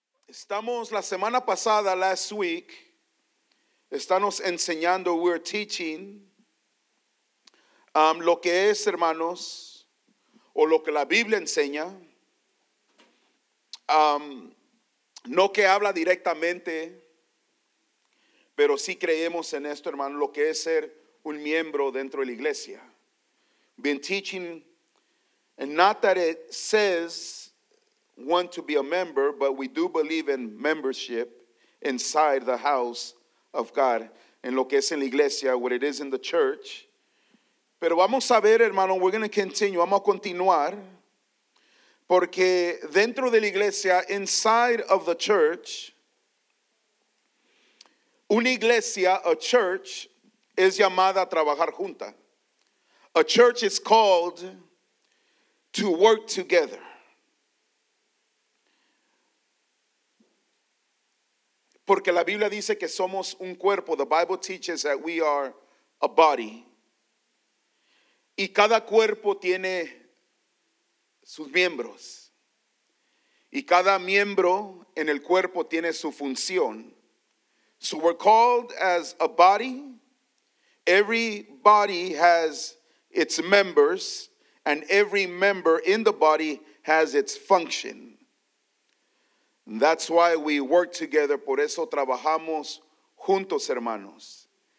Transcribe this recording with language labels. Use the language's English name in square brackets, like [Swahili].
[Spanish] Estamos la semana pasada, [English] last week, [Spanish] estamos enseñando, [English] we're teaching, [Spanish] lo que es, hermanos, o lo que la Biblia enseña, no que habla directamente, pero sí creemos en esto, hermano, lo que es ser un miembro dentro de la iglesia. [English] Been teaching, and not that it says want to be a member, but we do believe in membership inside the house of God, [Spanish] en lo que es en la iglesia, [English] what it is in the church. [Spanish] Pero vamos a ver, hermano, [English] we're going to continue, [Spanish] vamos a continuar, porque dentro de la iglesia, [English] inside of the church, [Spanish] una iglesia, [English] a church, [Spanish] es llamada a trabajar junta. [English] A church is called to work together. [Spanish] Porque la Biblia dice que somos un cuerpo. [English] The Bible teaches that we are a body. [Spanish] Y cada cuerpo tiene sus miembros. Y cada miembro en el cuerpo tiene su función. [English] So we're called as a body. Every body has its members, and every member in the body has its function. That's why we work together. [Spanish] Por eso trabajamos juntos, hermanos.